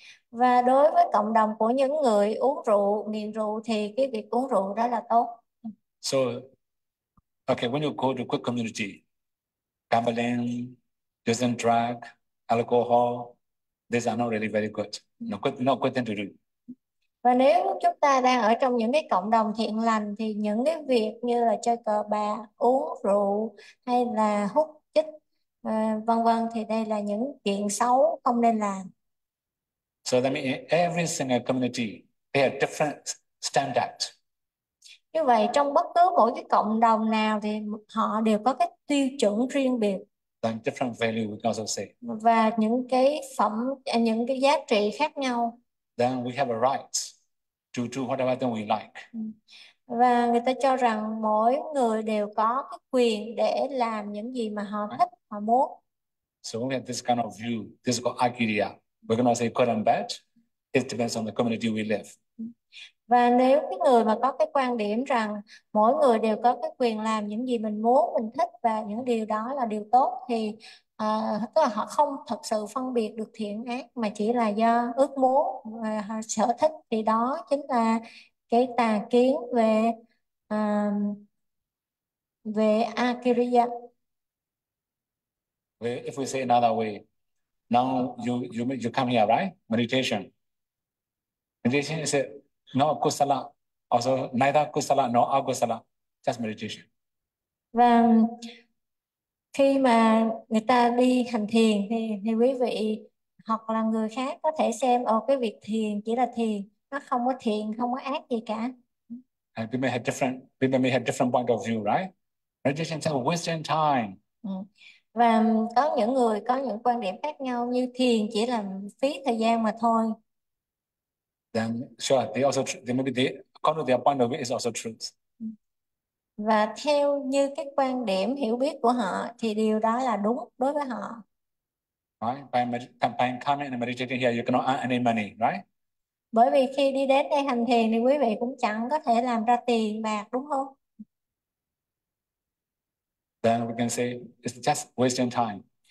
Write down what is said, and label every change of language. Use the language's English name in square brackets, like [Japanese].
[Vietnamese] Và đối với cộng đồng của những người uống rượu, nghiện rượu thì cái việc uống rượu đó là tốt. [English] So, okay, when you go to good community, gambling, using drug, alcohol, these are not really very good. Not good thing to do. [Vietnamese] Và nếu chúng ta đang ở trong những cái cộng đồng thiện lành thì những cái việc như là chơi cờ bạc, uống rượu hay là hút chích vân vân thì đây là những chuyện xấu không nên làm. [English] So that means in every single community, they have different standards. [Vietnamese] Như vậy trong bất cứ mỗi cái cộng đồng nào thì họ đều có cái tiêu chuẩn riêng biệt [English] Different value we can also [Vietnamese] và những cái phẩm, những cái giá trị khác nhau. [English] say. Then we have a right to do whatever thing we like. [Vietnamese] Và người ta cho rằng mỗi người đều có cái quyền để làm những gì mà họ thích, họ muốn. [English] So when we have this kind of view, this is called Aikiria. We're going to say good and bad. It depends on the community we live. [Vietnamese] Và nếu cái người mà có cái quan điểm rằng mỗi người đều có cái quyền làm những gì mình muốn, mình thích và những điều đó là điều tốt thì tức là họ không thật sự phân biệt được thiện ác mà chỉ là do ước muốn và sở thích, thì đó chính là cái tà kiến về về Akiriya. [English] If we say another way, now you come here, right? Meditation. Meditation is it? No kusala, also neither kusala nor akusala, just meditation. [Vietnamese] Và khi mà người ta đi hành thiền thì quý vị hoặc là người khác có thể xem ồ cái việc thiền chỉ là thiền, nó không có thiện, không có ác gì cả. [English] And people may have different point of view, right? Meditation is a wasting time. [Vietnamese] Và có những người có những quan điểm khác nhau như thiền chỉ là phí thời gian mà thôi. [English] Then sure, they according to their point of view is also truth. [Vietnamese] Và theo như cái quan điểm hiểu biết của họ thì điều đó là đúng đối với họ. [English] Right? By coming and meditating here, you cannot earn any money, [Vietnamese] Bởi vì khi đi đến đây hành thiền thì quý vị cũng chẳng có thể làm ra tiền bạc, đúng không? [English] right? Then we can say it's just wasting time.